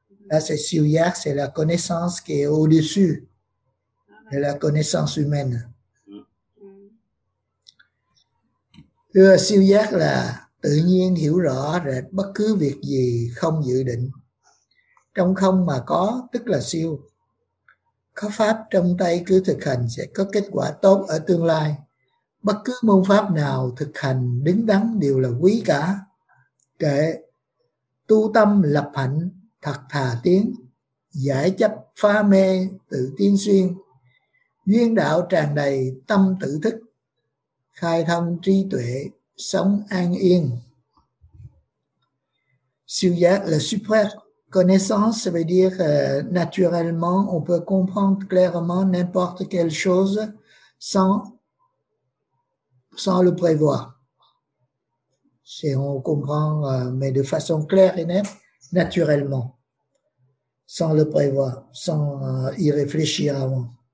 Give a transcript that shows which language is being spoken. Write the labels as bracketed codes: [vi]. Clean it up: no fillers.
[fr] Là, c'est Siêu Giác, c'est la connaissance qui est au-dessus de la connaissance humaine. [vi] Siêu Giác là. Tự nhiên hiểu rõ rệt bất cứ việc gì không dự định. Trong không mà có, tức là siêu. Có pháp trong tay cứ thực hành sẽ có kết quả tốt ở tương lai. Bất cứ môn pháp nào thực hành đứng đắn đều là quý cả. Kệ, tu tâm lập hạnh thật thà tiến, giải chấp pha mê tự tiên xuyên. Duyên đạo tràn đầy tâm tự thức, khai thông trí tuệ. Sống an yên. [fr] Siêu giác, la super connaissance, ça veut dire naturellement, on peut comprendre clairement n'importe quelle chose sans le prévoir. Si on comprend, mais de façon claire et nette, naturellement, sans le prévoir, sans y réfléchir avant.